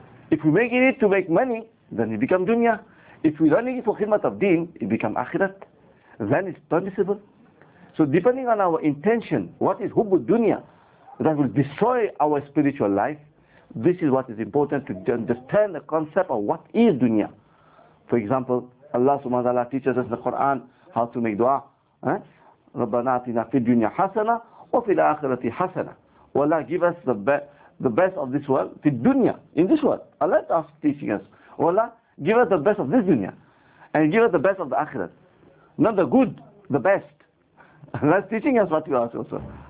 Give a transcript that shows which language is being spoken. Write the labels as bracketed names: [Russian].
[English] If we make it to make money, then it becomes dunya. If we learn it for khidmat of deen, it becomes akhirat. Then it's permissible. So depending on our intention, what is hubbu dunya, that will destroy our spiritual life. This is what is important to understand the concept of what is dunya. For example, Allah subhanahu wa ta'ala teaches us in the Quran how to make dua. [Arabic] ربنا اعطنا في الدنيا حسنة وفي الآخرة حسنة. ولا [English] give us the best of this world [Arabic] في الدنيا. [English] In this world, Allah is teaching us. [Arabic] ولا [English] give us the best of this dunya. And give us the best of the akhirah. Not the good, the best. Allah is teaching us what you ask also.